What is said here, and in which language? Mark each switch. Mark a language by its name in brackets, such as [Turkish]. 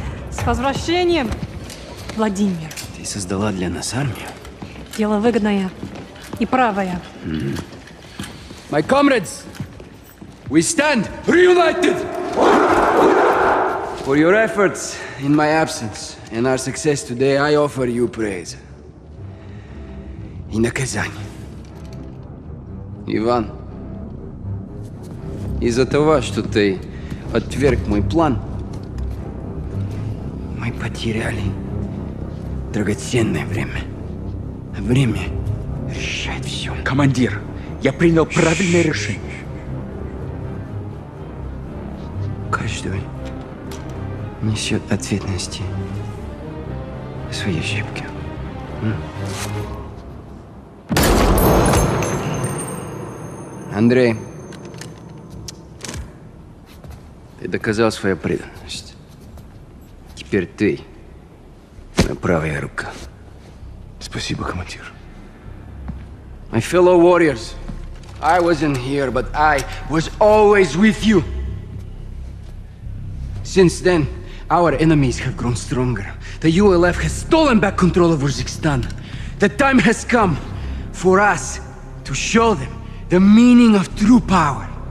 [Russian] С возвращением, Владимир. Ты создала для нас армию? Дело выгодное и правое. Mm-hmm. [English] My comrades, we stand reunited for your efforts in my absence and our success today. I offer you praise in a Kazan. [Russian] Иван, из-за того, что ты отверг мой план, мы потеряли драгоценное время. Время решает все. Командир. Я принял правильное решение. Каждый несет ответственность за свои ошибки. Андрей, ты доказал свою преданность. Теперь ты моя правая рука. Спасибо, командир. [English] My fellow warriors, I wasn't here, but I was always with you. Since then, our enemies have grown stronger. The ULF has stolen back control of Uzbekistan. The time has come for us to show them the meaning of true power.